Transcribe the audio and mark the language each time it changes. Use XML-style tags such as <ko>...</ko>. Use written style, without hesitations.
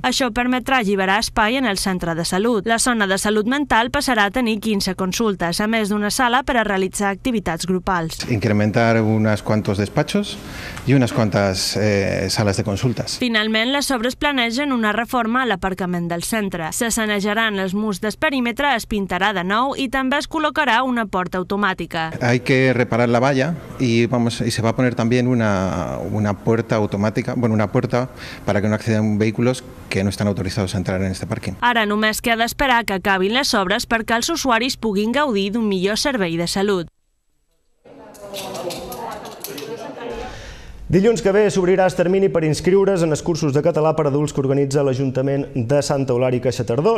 <ca>Això permetrà alliberar espai en el centre de salut. La zona de salut mental passarà a tenir 15 consultes, a més d'una sala per a realitzar activitats grupals. Incrementar unes quantos despatxos i unes quantes sales de consultes. Finalment, les obres planegen una reforma a la part del centre. Se sanejaran els murs d'esperímetre, es pintarà de nou i també es col·locarà una porta automàtica.</ca> <es>Hay que reparar la valla y se va a poner también una puerta automática, bueno, una puerta para que no accedan vehículos que no</es> <ca>estan autoritzats</ca> <es>a entrar en este pàrquing.</es> <ca>Ara només queda esperar que acabin les obres perquè els usuaris puguin gaudir d'un millor servei de salut. Dilluns que ve s'obrirà el termini per inscriure's en els cursos de català per adults que organitza l'Ajuntament de Santa Eulària Caixatardó.</ca>